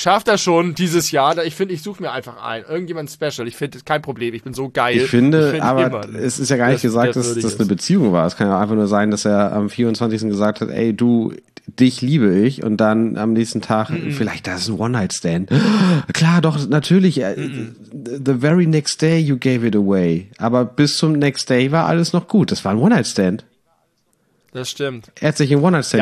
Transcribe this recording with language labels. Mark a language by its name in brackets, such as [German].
[German] schaffe das schon dieses Jahr. Ich suche mir einfach einen. Irgendjemand special. Ich finde, kein Problem. Ich bin so geil. Ich finde, es ist ja gar nicht gesagt, dass das eine Beziehung war. Es kann ja einfach nur sein, dass er am 24. gesagt hat, ey, du... Dich liebe ich und dann am nächsten Tag, vielleicht das ist ein One-Night-Stand. Klar, doch, natürlich. [English] The very next day you gave it away. [German] Aber bis zum [English] next day [German] war alles noch gut. Das war ein One-Night-Stand. Das stimmt. Er hat sich in One-Night-Stand